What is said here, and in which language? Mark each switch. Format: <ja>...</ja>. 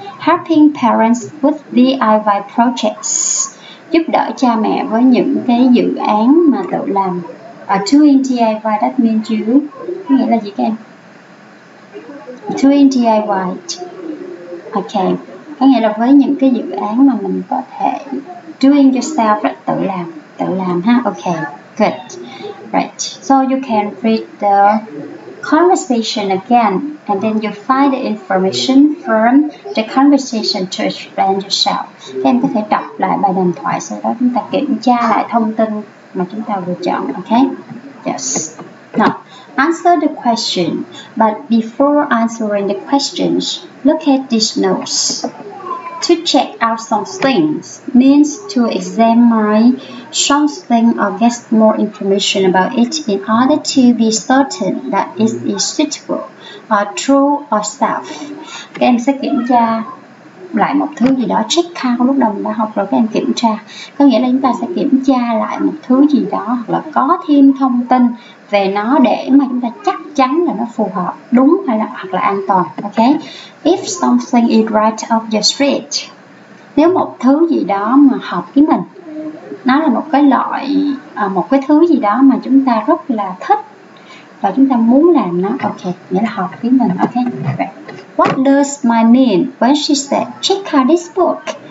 <en>Helping parents with DIY projects,</en> <vi>giúp đỡ cha mẹ với những cái dự án mà tự làm.</vi> <en>Doing DIY, that means you,</en> <vi>nghĩa là gì các em? Doing DIY, okay, có nghĩa là với những cái dự án mà mình có thể</vi> <en>doing yourself,</en> <vi>rất tự làm ha.</vi> <en>Okay, good, right. So you can read the conversation again, and then you find the information from the conversation to explain yourself.</en> <vi>Các em có thể đọc lại bài đàm thoại, sau đó chúng ta kiểm tra lại thông tin mà chúng ta lựa chọn.</vi> <en>Okay, yes. Now, answer the question, but before answering the questions, look at these notes. To check out some things means to examine something or get more information about it in order to be certain that it is suitable or true or self.</en> <vi>Các em sẽ kiểm tra lại một thứ gì đó, check out lúc đầu mình đã học rồi, các em kiểm tra. Có nghĩa là chúng ta sẽ kiểm tra lại một thứ gì đó hoặc là có thêm thông tin về nó để mà chúng ta chắc chắn là nó phù hợp, đúng hay là hoặc là an toàn. Okay.</vi> <en>If something is right off your street,</en> <vi>nếu một thứ gì đó mà hợp với mình, nó là một cái loại, một cái thứ gì đó mà chúng ta rất là thích và chúng ta muốn làm nó, okay, nghĩa là hợp với mình.</vi> <en>Okay. What does my mean when she said check out this book?</en>